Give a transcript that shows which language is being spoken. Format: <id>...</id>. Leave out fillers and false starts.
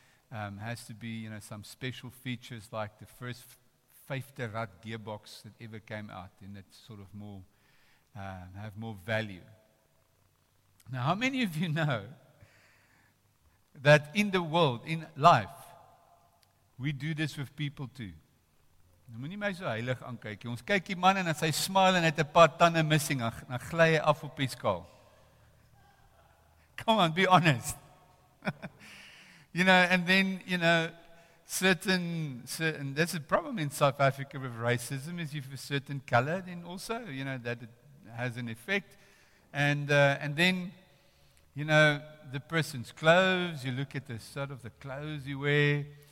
<en>Has to be, you know, some special features like the first Vijfde Rad gearbox that ever came out, and that's sort of more, have more value. Now, how many of you know that in the world, in life, we do this with people too?</en> <af>Nou moenie my so heilig aankyk nie. Ons kyk die man en as hy smile en hy het 'n paar tande missing, dan gly hy af op die skaal.</af> <en>Come on, be honest. You know, and then, you know, certain, there's a problem in South Africa with racism, is you've a certain color, then also, you know, that it has an effect. And then, you know, the person's clothes, you look at the sort of the clothes you wear.</en>